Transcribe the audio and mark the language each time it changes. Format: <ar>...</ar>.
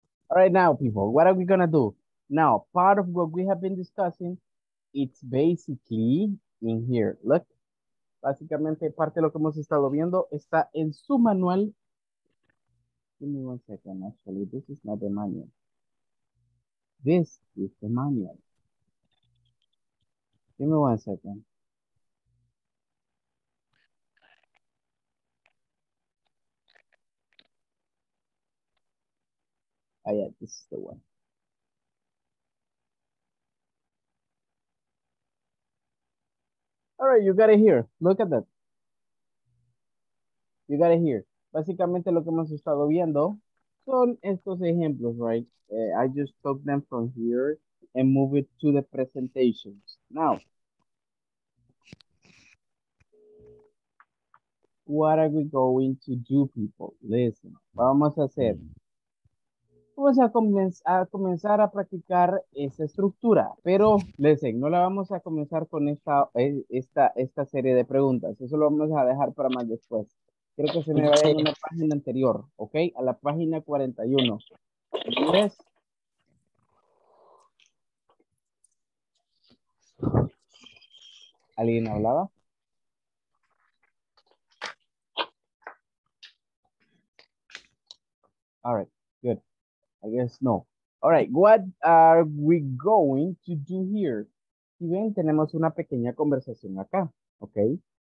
<en>All right, now, people, what are we going to do? Now, part of what we have been discussing, it's basically in here. Look.</en> <es>Básicamente, parte de lo que hemos estado viendo está en su manual.</es> <en>Give me 1 second, actually. This is not the manual. This is the manual. Give me 1 second. Oh, yeah, this is the one. All right, you got it here. Look at that. You got it here.</en> <es>Básicamente lo que hemos estado viendo son estos ejemplos, right?</es> <en>I just took them from here and move it to the presentations. Now, what are we going to do, people?</en> <es>Listen, vamos a hacer. Vamos a comenzar a practicar esa estructura. Pero, listen, no la vamos a comenzar con esta serie de preguntas. Eso lo vamos a dejar para más después. Creo que se me va a ir a la página anterior, ¿ok? A la página 41. ¿Entiendes? ¿Alguien hablaba?</es> <en>All right, good. I guess no. All right, what are we going to do here?</en> <es>Si ven, tenemos una pequeña conversación acá, ¿ok?</es>